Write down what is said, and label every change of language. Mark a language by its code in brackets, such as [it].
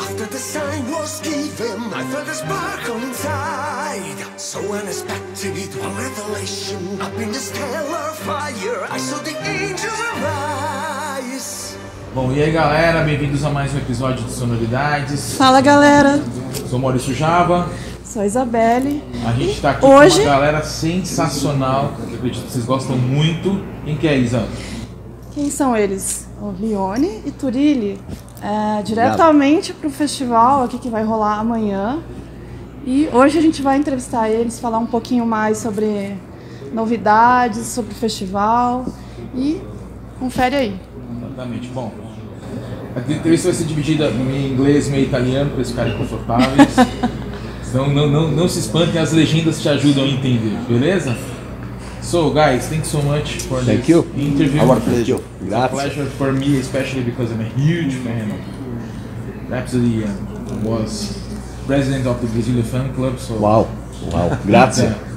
[en] After the sign was given, I felt a sparkle inside. So unexpected, one revelation. Up in the stellar fire, I saw the angels arise. [pt] Bom, e aí galera, bem-vindos a mais um episódio de Sonoridades. Fala galera! Sou Maurício Java. Sou Isabelle. A gente tá aqui hoje com uma galera sensacional, eu acredito que vocês gostam muito. Quem que é, Isa? Quem são eles? O Lione e Turilli. É, diretamente pro festival aqui que vai rolar amanhã. E hoje a gente vai entrevistar eles, falar um pouquinho mais sobre novidades, sobre o festival. E confere aí. Exatamente. Bom, a entrevista vai ser dividida em inglês e meio italiano, para eles ficarem confortáveis. não se espantem, as legendas te ajudam a entender, beleza? [en] So, guys, thank you so much for thank this you. Interview. Our pleasure. It's a pleasure for me, especially because I'm a huge fan of Rhapsody and was president of the Brazilian fan club. So. [it] Wow. Grazie.